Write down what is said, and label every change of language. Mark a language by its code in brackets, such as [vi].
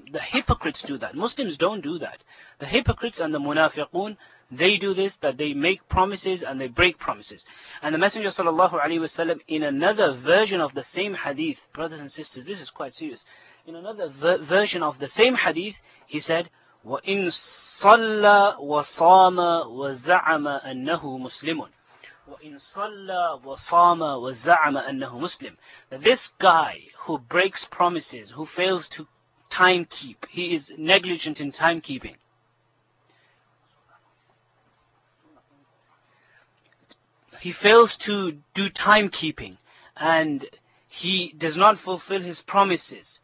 [en] The hypocrites do that. Muslims don't do that. The hypocrites and the munafiqun, they do this, that they make promises and they break promises. And the Messenger sallallahu alayhi wa sallam, in another version of the same hadith, brothers and sisters, this is quite serious. In another version of the same hadith, he said, [ar] وَإِن صَلَّى وَصَامَ وَزَعَمَ أَنَّهُ مُسْلِمٌ وَإِن صَلَّى وَصَامَ وَزَعَمَ أَنَّهُ مُسْلِمٌ. [en] That this guy who breaks promises, who fails to time keep, he is negligent in time keeping. He fails to do time keeping and he does not fulfill his promises.